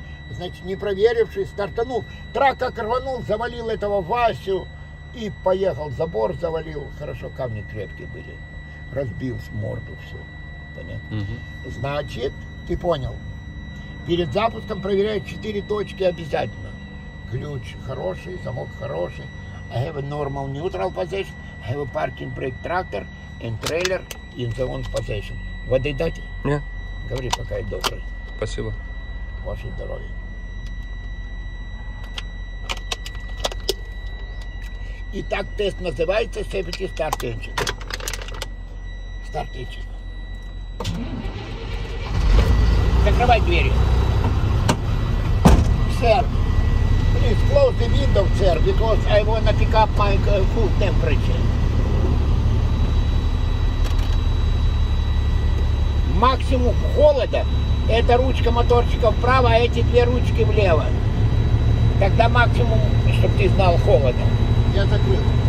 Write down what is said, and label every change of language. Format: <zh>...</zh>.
<ru>Значит, не проверившись, стартанул. Трак как рванул, завалил этого Васю и поехал, забор завалил. Хорошо, камни крепкие были, разбил морду все. Понятно. Угу. Значит, ты понял. Перед запуском проверяют четыре точки обязательно. Ключ хороший, замок хороший.</ru> <en>I have a normal neutral position. I have a parking brake tractor and trailer in the on position.</en> <ru>Воды дать? Нет. Говори, пока я добрый. Спасибо. Ваше здоровье. Итак, тест называется Safety Start Engine. Start Engine. Закрывай двери.</ru> <en>Сэр, please close the window, sir, because I want to pick up my full temperature.</en> <ru>Максимум холода – это ручка моторчика вправо, а эти две ручки влево. Тогда максимум, чтобы ты знал, холода. Я закрыл.</ru>